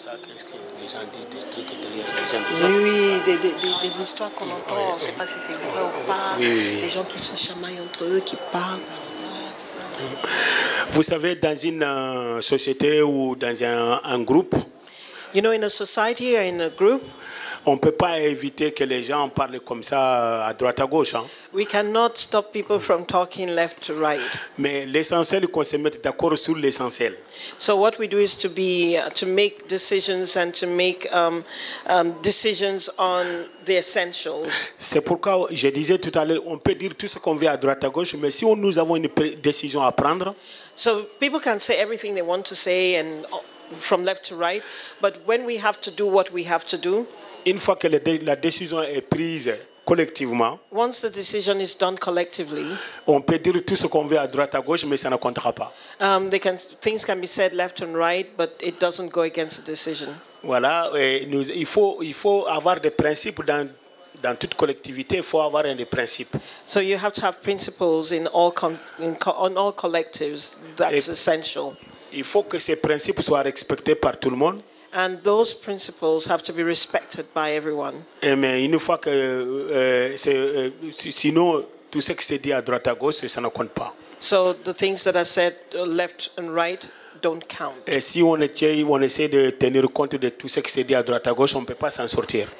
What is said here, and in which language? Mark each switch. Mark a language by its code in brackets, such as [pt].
[fr] Oui, des histoires qu'on entend, on ne sait pas si c'est vrai ou pas. Des gens qui se chamaillent entre eux, qui parlent. Vous savez, dans une société ou dans un groupe, [en] you know, in a society or in a group, [fr] on peut pas éviter que les gens parlent comme ça à droite à gauche. Hein? [en] We cannot stop people from talking left to right. [fr] Mais l'essentiel, qu'on se mette d'accord sur l'essentiel. [en] So what we do is to make decisions and to make decisions on the essentials. [fr] C'est pourquoi je disais tout à l'heure, on peut dire tout ce qu'on veut à droite à gauche, mais si nous avons une décision à prendre. [en] So people can say everything they want to say and from left to right, but when we have to do what we have to do. [fr] Une fois que la décision est prise collectivement, [en] once the decision is done collectively, [fr] on peut dire tout ce qu'on veut à droite à gauche, mais ça ne comptera pas. [en] Things can be said left and right, but it doesn't go against the decision. [fr] Voilà, il faut avoir des principes dans toute collectivité. Il faut avoir des principes. [en] So you have to have principles in all collectives. That's essential. [fr] Il faut que ces principes soient respectés par tout le monde. [en] And those principles have to be respected by everyone. [fr] Mais une fois que sinon tout ce qui s'est dit à droite à gauche, ça ne compte pas. [en] So the things that are said left and right don't count. [fr] Et si on essaie de tenir compte de tout ce qui s'est dit à droite à gauche, on ne peut pas s'en sortir.